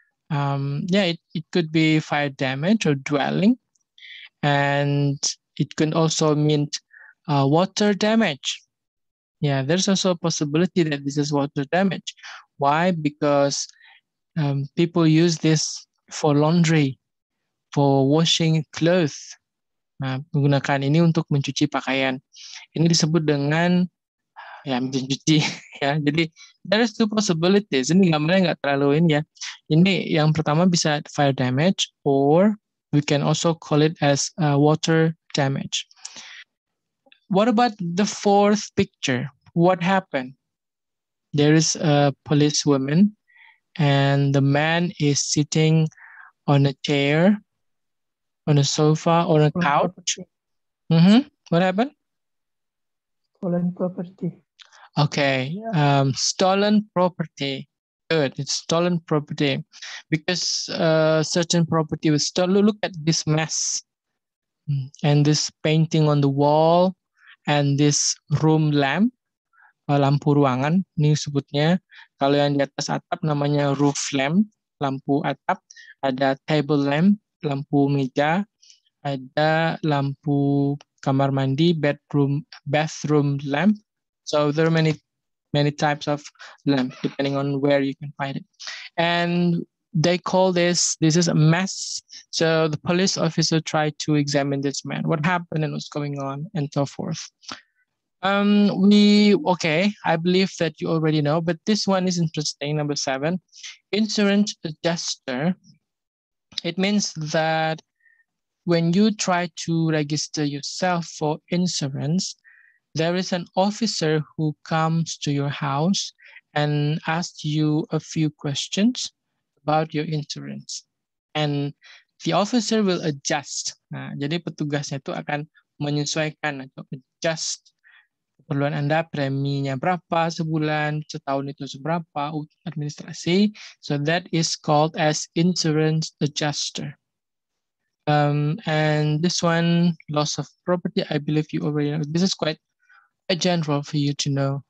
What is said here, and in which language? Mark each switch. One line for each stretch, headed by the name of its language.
English: It could be fire damage or dwelling, and it can also mean water damage. Yeah, there's also a possibility that this is water damage. Why? Because people use this for laundry, for washing clothes.
Indonesian: Menggunakan ini untuk mencuci pakaian. Ini disebut dengan mencuci. Ya, jadi
English: there is two possibilities.
Indonesian: Ini gambarnya nggak terlalu ini ya. Ini yang pertama bisa
English: fire damage, or we can also call it as water damage. What about the fourth picture? What happened? There is a police woman, and the man is sitting on a chair, on a sofa, on a couch. Mm-hmm. What happened? Stolen property. Okay. Yeah. Stolen property. Good. It's stolen property because certain property was stolen. Look at this mess and this painting on the wall and this room lamp.
Indonesian: Lampu ruangan, ini sebutnya. Kalau yang di atas atap namanya roof lamp, lampu atap. Ada table lamp, lampu meja. Ada lampu kamar mandi, bathroom lamp.
English: So there are many types of lamp depending on where you can find it. And they call this is a mess. So the police officer tried to examine this man. What happened and what's going on and so forth. I believe that you already know, but this one is interesting. Number seven, insurance adjuster. It means that when you try to register yourself for insurance, there is an officer who comes to your house and asks you a few questions about your insurance. And the officer will adjust.
Indonesian: Nah, jadi petugasnya itu akan menyesuaikan atau adjust keperluan Anda, preminya berapa sebulan, setahun itu seberapa, administrasi.
English: So that is called as insurance adjuster. And this one, loss of property, I believe you already know. This is quite a general for you to know.